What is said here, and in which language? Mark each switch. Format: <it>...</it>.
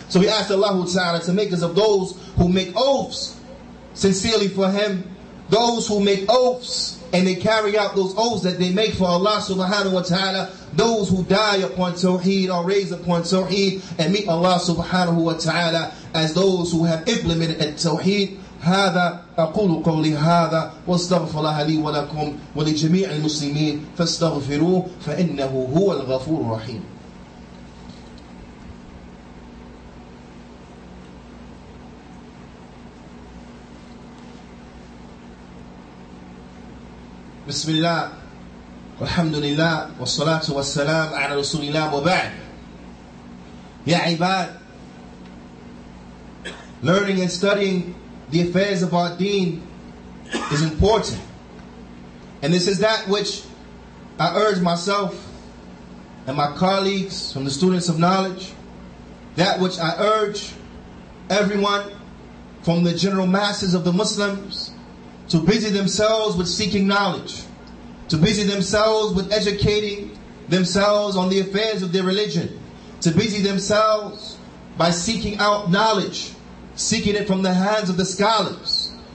<en>So we ask Allah ta'ala to make us of those who make oaths sincerely for Him. Those who make oaths and they carry out those oaths that they make for Allah subhanahu wa ta'ala. Those who die upon tawheed or raise upon tawheed and meet Allah subhanahu wa ta'ala as those who have implemented at tawheed.</en> <ar>هذا أقول قولي هذا واستغفر الله لي ولكم ولجميع المسلمين فاستغفروه فإنه هو الغفور الرحيم. بسم الله والحمد لله والصلاة والسلام على رسول الله وبعد. يا عباد,</ar> <en>learning and studying the affairs of our deen is important. And this is that which I urge myself and my colleagues from the Students of Knowledge, that which I urge everyone from the general masses of the Muslims to busy themselves with seeking knowledge, to busy themselves with educating themselves on the affairs of their religion, to busy themselves by seeking out knowledge, seeking it from the hands of the scholars,</en>